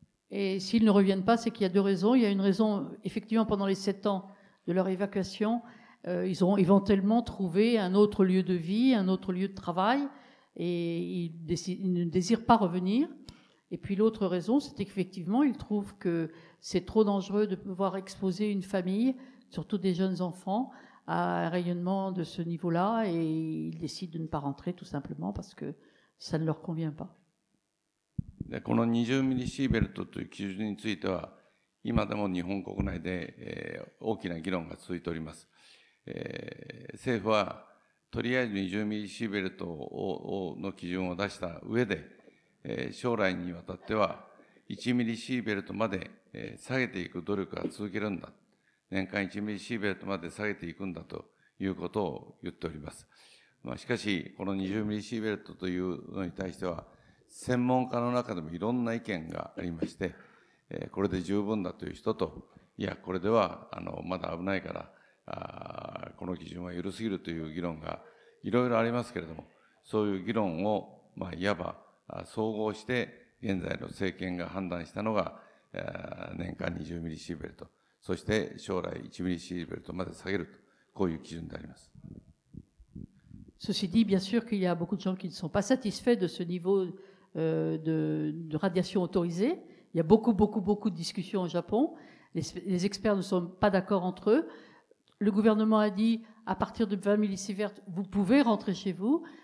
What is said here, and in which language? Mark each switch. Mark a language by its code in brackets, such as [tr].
[fr] Et s'ils ne reviennent pas, c'est qu'il y a deux raisons. Il y a une raison, effectivement, pendant les 7 ans de leur évacuation, ils ont éventuellement trouvé un autre lieu de vie, un autre lieu de travail, et ils ne désirent pas revenir. Et puis l'autre raison, c'est qu'effectivement, ils trouvent que c'est trop dangereux de pouvoir exposer une famille, surtout des jeunes enfants, à un rayonnement de ce niveau-là, et ils décident de ne pas rentrer, tout simplement, parce que ça ne leur convient pas. [ja] でこの20ミリシーベルトという基準については今でも日本国内で、大きな議論が続いております。政府はとりあえず20ミリシーベルトをの基準を出した上で、将来にわたっては1ミリシーベルトまで、下げていく努力が続けるんだ、年間1ミリシーベルトまで下げていくんだということを言っております。まあ、しかしこの20ミリシーベルトというのに対しては専門家の中でもいろんな意見がありまして、これで十分だという人と、いや、これではまだ危ないから、この基準は緩すぎるという議論がいろいろありますけれども、そういう議論を、まあ、いわば総合して、現在の政権が判断したのが、年間20ミリシーベルト、そして将来1ミリシーベルトまで下げると、こういう基準であります。 [fr] Ceci dit, bien sûr qu'il y a beaucoup de gens qui ne sont pas satisfaits de ce niveau de radiation autorisée. Il y a beaucoup, beaucoup, beaucoup de discussions au Japon. Les experts ne sont pas d'accord entre eux. Le gouvernement a dit, à partir de 20 millisieverts, vous pouvez rentrer chez vous.